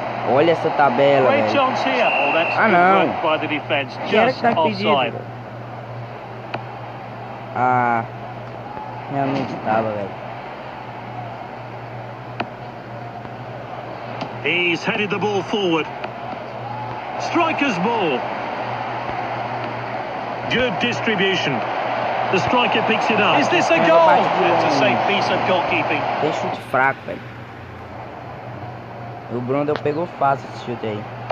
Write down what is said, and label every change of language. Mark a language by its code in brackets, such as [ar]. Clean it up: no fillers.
[pt] Olha essa tabela, velho. Ah, não. Quem era que tá impedido? Ah, realmente tava, velho. [en] He's headed the ball forward. Striker's ball. Good distribution. The striker picks it up. Is this a goal? It's a safe piece of goalkeeping. [pt] Tem chute fraco, velho. O Brondel pegou fácil esse chute aí.